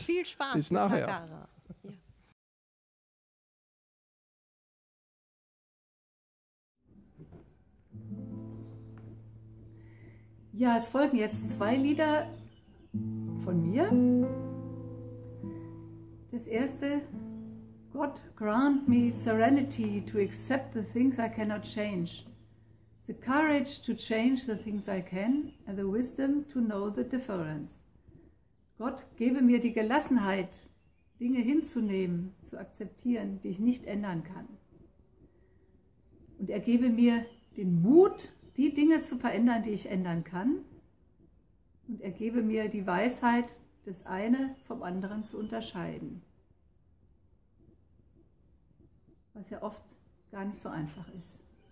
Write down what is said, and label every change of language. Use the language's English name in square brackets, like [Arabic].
[German] Viel Spaß. Bis nachher. Ja, es folgen jetzt zwei Lieder von mir. Das erste: [English] God grant me serenity to accept the things I cannot change, the courage to change the things I can and the wisdom to know the difference. [German] Gott gebe mir die Gelassenheit, Dinge hinzunehmen, zu akzeptieren, die ich nicht ändern kann. Und er gebe mir den Mut, die Dinge zu verändern, die ich ändern kann, und er gebe mir die Weisheit, das eine vom anderen zu unterscheiden, was ja oft gar nicht so einfach ist.